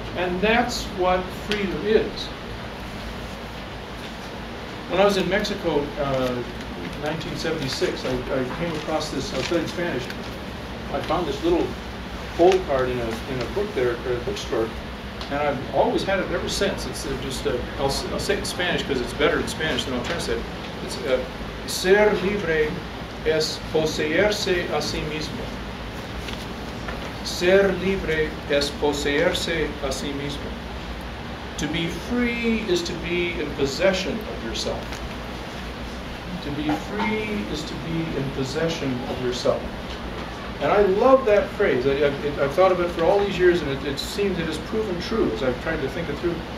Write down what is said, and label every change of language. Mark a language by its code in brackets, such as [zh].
[en] And that's what freedom is. When I was in Mexico 1976, I came across this, I studied Spanish. I found this little old card in a book there at a bookstore, and I've always had it ever since. It's just, I'll say it in Spanish because it's better in Spanish than I'll translate it. [es] It's ser libre es poseerse a sí mismo. Ser libre es poseerse a sí mismo. [en] To be free is to be in possession of yourself. To be free is to be in possession of yourself. And I love that phrase. I've thought of it for all these years, and it seems it has proven true as I've tried to think it through.